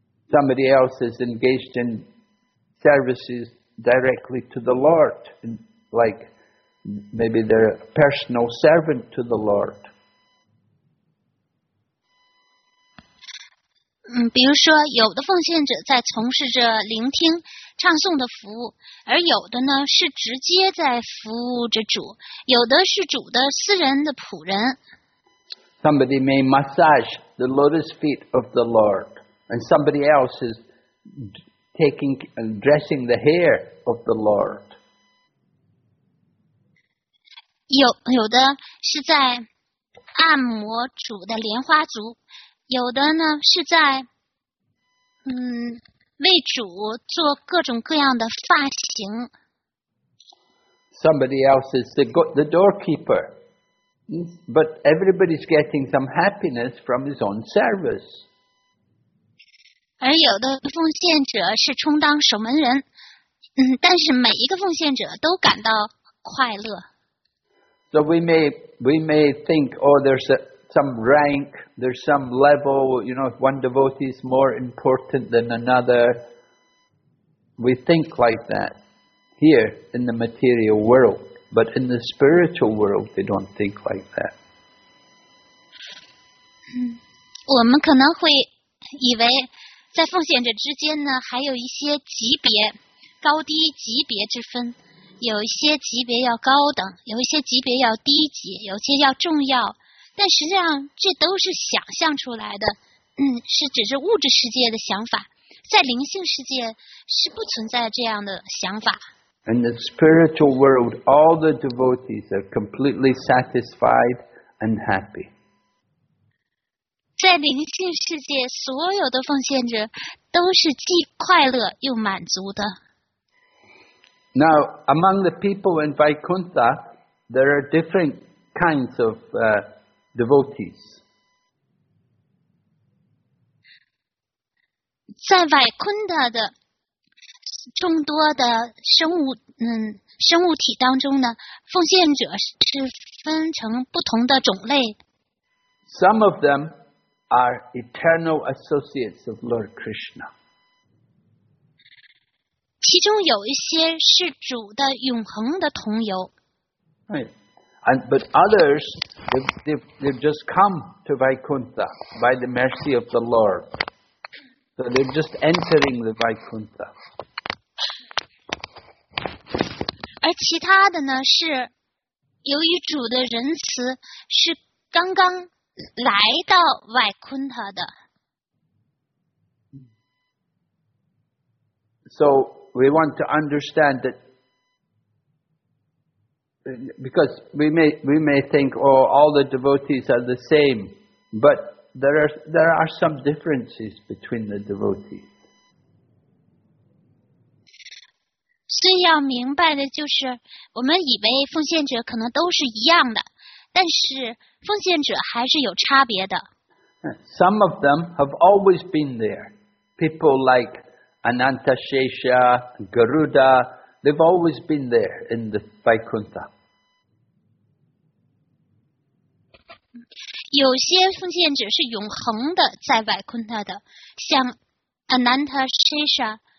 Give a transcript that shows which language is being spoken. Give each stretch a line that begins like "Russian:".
English: Somebody else is engaged in services directly to the Lord, like maybe they're a personal servant to the Lord.
Chinese: 比如说有的奉献者在从事着聆听唱诵的服务，而有的呢是直接在服务着主，有的是主的私人的仆人。
English: Somebody may massage the lotus feet of the Lord, and somebody else is taking and dressing the hair of the Lord.
Chinese: 有的是在按摩主的莲花足，有的呢是在为主做各种各样的发型。
English: Somebody else is the doorkeeper, but everybody's getting some happiness from his own service.
Chinese: 而有的奉献者是充当守门人，但是每一个奉献者都感到快乐。
English: So we may think, oh, there's some rank, there's some level, you know, if one devotee is more important than another. We think like that here in the material world. But in the spiritual world, they don't think like that.
Chinese: 我们可能会以为在奉献者之间呢，还有一些级别，高低级别之分，有一些级别要高等，有一些级别要低级，有些要重要，但实际上这都是想象出来的，是只是物质世界的想法，在灵性世界是不存在这样的想法。
English: In the spiritual world, all the devotees are completely satisfied and happy.
Chinese: 在灵性世界，所有的奉献者都是既快乐又满足的。
English: Now, among the people in Vaikuntha, there are different kinds of devotees.
Chinese: 在 Vaikuntha 的众多的生物体当中呢，奉献者是分成不同的种类。
English: Some of them are eternal associates of Lord Krishna.
Chinese: 其中有一些是主的永恒的同游。
English: Right. And, but others, they've just come to Vaikuntha by the mercy of the Lord. So they're just entering the Vaikuntha.
Chinese: 而其他的呢，是由于主的仁慈，是刚刚来到外昆特的。
English: So we want to understand that, because we may think, oh, all the devotees are the same, but there are some differences between the devotees.
Chinese: 最要明白的就是，我们以为奉献者可能都是一样的，但是奉献者还是有差别的。
English: Some of them have always been there. People like Anantashesha, Garuda, they've always been there in the Vaikuntha.
Chinese: 有些奉献者是永恒的在 Vaikuntha 的，像 Anantashesha。